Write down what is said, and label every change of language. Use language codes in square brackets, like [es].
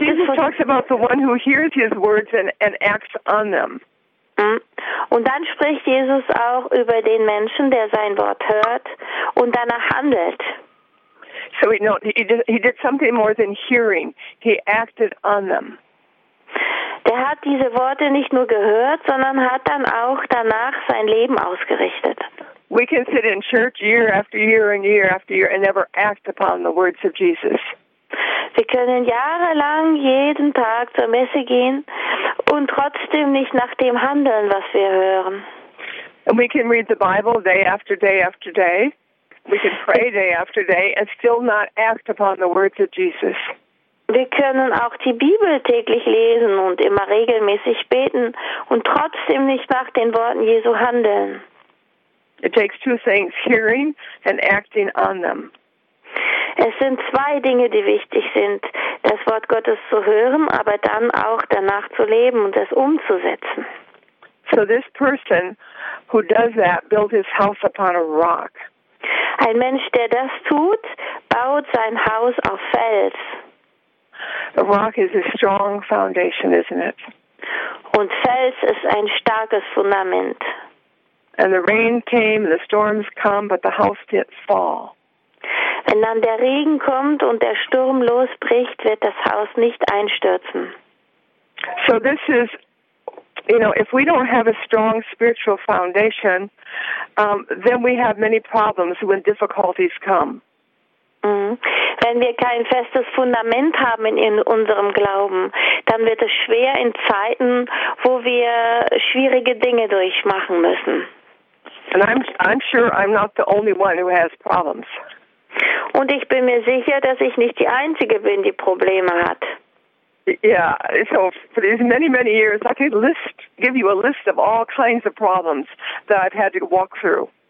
[en] Jesus talks about the one who hears his words and acts on them. [de] Und dann spricht Jesus auch über den Menschen, der sein Wort hört und danach handelt. [en] So he did something more than hearing. He acted on them. [de] Der hat diese Worte nicht nur gehört, sondern hat dann auch danach sein Leben ausgerichtet. [en] We can sit in church year after year and year after year and never act upon the words of Jesus. [de] Wir können jahrelang jeden Tag zur Messe gehen und trotzdem nicht nach dem handeln, was wir hören. [en] And we can read the Bible day after day after day. We can pray day after day and still not act upon the words of Jesus. [de] Wir können auch die Bibel täglich lesen und immer regelmäßig beten und trotzdem nicht nach den Worten Jesu handeln. [en] It takes two things, hearing and acting on them. [de] Es sind zwei Dinge, die wichtig sind, das Wort Gottes zu hören, aber dann auch danach zu leben und es umzusetzen. [en] So this person who does that built his house upon a rock. [de] Ein Mensch, der das tut, baut sein Haus auf Fels. [en] A rock is a strong foundation, isn't it? [de] Und Fels ist ein starkes Fundament. [en] And the rain came, and the storms come, but the house didn't fall. [de] Wenn dann der Regen kommt und der Sturm losbricht, wird das Haus nicht einstürzen. [en] So this is, you know, if we don't have a strong spiritual foundation, then we have many problems when difficulties come. [de] Wenn wir kein festes Fundament haben in unserem Glauben, dann wird es schwer in Zeiten, wo wir schwierige Dinge durchmachen müssen. [en] And I'm sure I'm not the only one who has problems. [de] Und ich bin mir sicher, dass ich nicht die Einzige bin, die Probleme hat. [en] Yeah, so for these many, many years, I could give you a list of all kinds of problems that I've had to walk through.